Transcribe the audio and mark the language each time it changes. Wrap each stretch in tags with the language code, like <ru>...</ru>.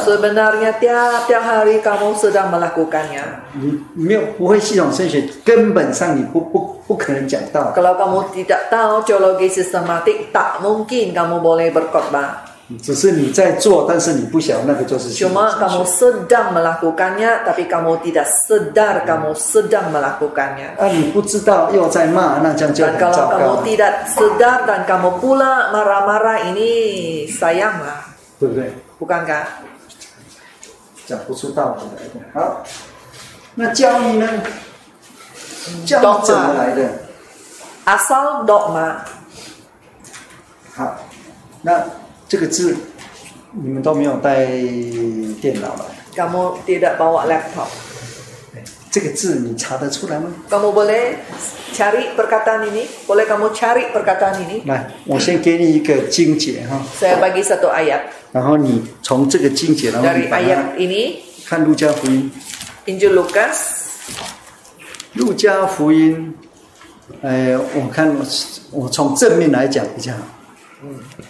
<ms>Sebenarnya tiap-tiap hari kamu sedang melakukannya.</ms> <zh>你没有不会系统神学，根本上你不可能讲到。</zh> <ms>Kalau kamu tidak tahu teologi sistematik, tak mungkin kamu boleh berkhotbah.</ms> <zh>只是你在做，但是你不想，那个就是心理程序。</zh> <ms>Cuma kamu sedang melakukannya, tapi kamu tidak sedar kamu sedang melakukannya.</ms> <zh>那你不知道又在骂，那这样就很糟糕。</zh> <ms>Dan kalau kamu tidak sedar dan kamu pula marah-marah, ini sayang lah.</ms> <zh>对不对？</zh> <ms>Bukankah?</ms> <zh>讲不出道理来的。好，那教义呢？教义怎么来的？</zh> <ms>Asal dogma.</ms> <zh>好，那。这个字你们都没有带电脑了。</zh> <ms>Kamu tidak bawa laptop.</ms> <zh>这个字你查得出来吗？</zh> <ms>Kamu boleh cari perkataan ini? Boleh kamu cari perkataan ini?</ms> <zh>来，我先给你一个经节哈。</zh> <ms>Saya bagi satu ayat.</ms> <zh>然后你从这个经节，然后你把它。</zh> <ms>Dari ayat ini.</ms> <zh>看路加福音。</zh> <ms>Injil Lukas.</ms> <zh>路加福音，我看我从正面来讲比较好。嗯。</zh>